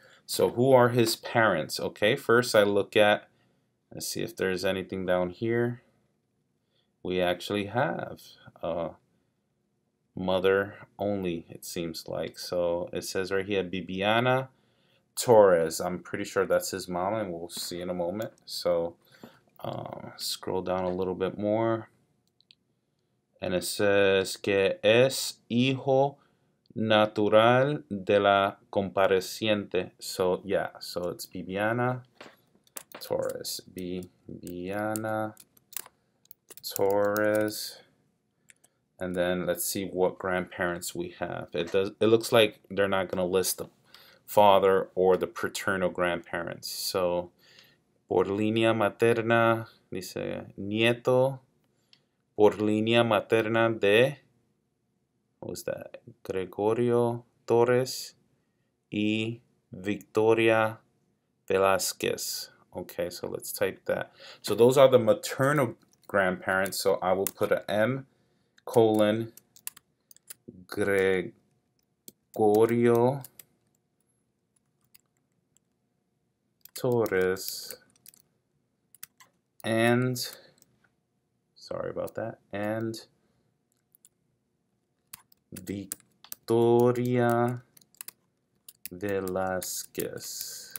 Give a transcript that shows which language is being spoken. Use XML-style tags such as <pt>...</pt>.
<en>So who are his parents? Okay, first I look at, let's see if there's anything down here. We actually have a mother only, it seems like. So it says right here, Bibiana Torres. I'm pretty sure that's his mom, and we'll see in a moment. So scroll down a little bit more. And it says</en> <es>que es hijo natural de la compareciente.</es> <en>So yeah, so it's Bibiana Torres. Bibiana Torres. And then let's see what grandparents we have. It looks like they're not gonna list the father or the paternal grandparents.</en> <es>So por línea materna, dice nieto. Por línea materna de,</es> <en>what was that?</en> <es>Gregorio Torres y Victoria Velázquez.</es> <en>Okay, so let's type that. So those are the maternal grandparents. So I will put a M colon Gregorio Torres and, sorry about that, and Victoria Velázquez.</en>